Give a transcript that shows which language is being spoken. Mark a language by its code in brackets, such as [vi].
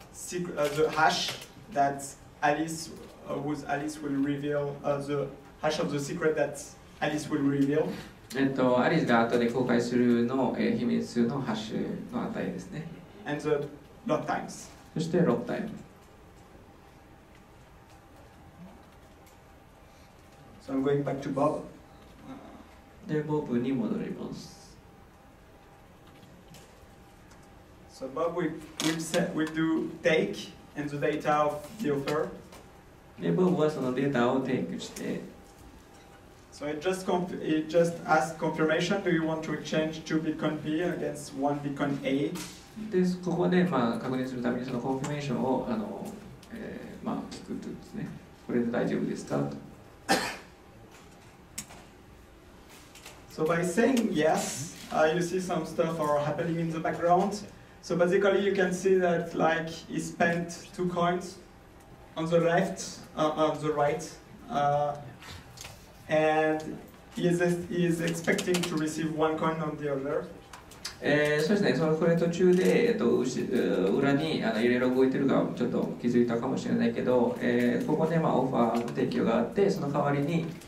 [en] The hash that Alice was Alice will reveal the hash of the secret that Alice will reveal。 [ja] アリスが後で公開するの、秘密のハッシュの値ですね。 [en] And the,Lock times. [ja] そして、ロックタイム。 [en] So I'm going back to Bob. [ja] で、ボブに戻ります。 [en] So Bob will do take and the data of the offer. [ja] で、ボブはそのデータをテイクして。 [en] So it just asks confirmation, do you want to exchange 2 Bitcoin B against 1 Bitcoin A? [ja] でここで、まあ、確認するためにそのコンフィメーションをあの、まあ、聞くとですね。これで大丈夫ですかと。 [en] So by saying yes, you see some stuff are happening in the background. So basically you can see that like he spent 2 coins on the left, on the right, and he is expecting to receive 1 coin on the other. [ja] そうですね、これ途中で、裏にあの、いろいろ動いてるかちょっと気づいたかもしれないけど、ここで、まあ、オファーの提供があって、その代わりに、